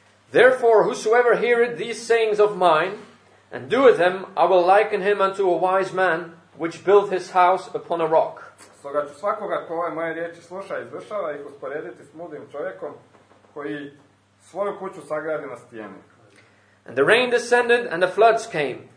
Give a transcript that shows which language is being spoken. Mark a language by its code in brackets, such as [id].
[en] Therefore, whosoever heareth these sayings of mine, and doeth them, I will liken him unto a wise man, which built his house upon a rock. [hr] Stoga ću svakoga ko ove moje riječi sluša i izvršava ih usporediti s mudim čovjekom koji svoju kuću sagradi na stijeni. [en] And the rain descended and the floods came.